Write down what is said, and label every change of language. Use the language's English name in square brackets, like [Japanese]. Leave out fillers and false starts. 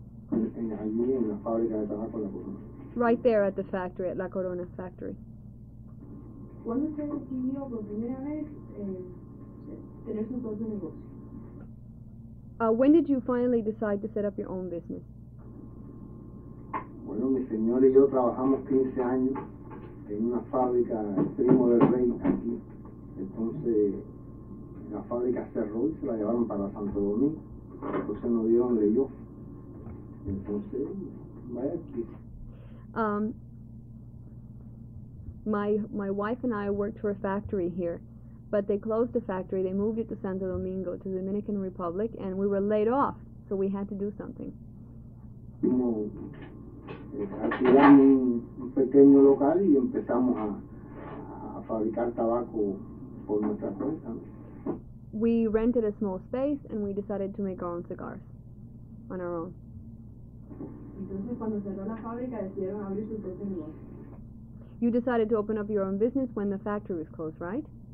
[English] Right there at the factory, at La Corona factory. When did you finally decide to set up your own business? [Spanish] Bueno, mi señor y yo trabajamos 15 años en una fábrica Primo del Rey aquí. Entonces la fábrica cerró y se la llevaron para Santo Domingo. Entonces nos dieron de yo. Entonces, vaya aquí. [English] My wife and I worked for a factory here. But they closed the factory, they moved it to Santo Domingo, to the Dominican Republic, and we were laid off, so we had to do something. [Spanish] No. Alquilamos un pequeño local y empezamos a fabricar tabaco por nuestra cuenta. [English] We rented a small space and we decided to make our own cigars on our own. [Spanish] Entonces cuando cerró la fábrica decidieron abrir su propio negocio. [English] You decided to open up your own business when the factory was closed, right?